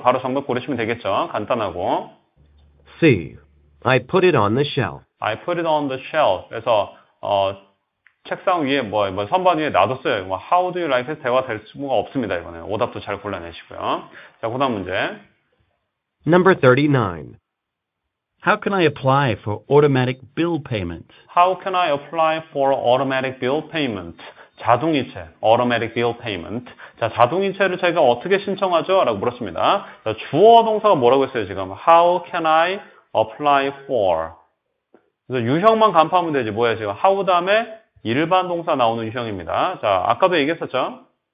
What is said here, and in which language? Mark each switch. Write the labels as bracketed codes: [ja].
[ko] 바로 정답 고르시면 되겠죠. 간단하고. [en] C. I put it on the shelf. I put it on the shelf. [ko] 그래서 책상 위에 뭐 선반 위에 놔뒀어요. 뭐, [en] how do you like it? [ko] 대화 될 수가 없습니다. 이번에 오답도 잘 골라내시고요. 자, 그다음 문제. [en] Number 39. How can I apply for automatic bill payment? How can I apply for automatic bill payment? 자동이체, automatic bill payment. [ko] 자, 자동이체를 저희가 어떻게 신청하죠? 라고 물었습니다. 자, 주어 동사가 뭐라고 했어요, 지금? [en] How can I apply for? [ko] 그래서 유형만 간파하면 되지, 뭐야, 지금? How 다음에 일반 동사 나오는 유형입니다. 자, 아까도 얘기했었죠?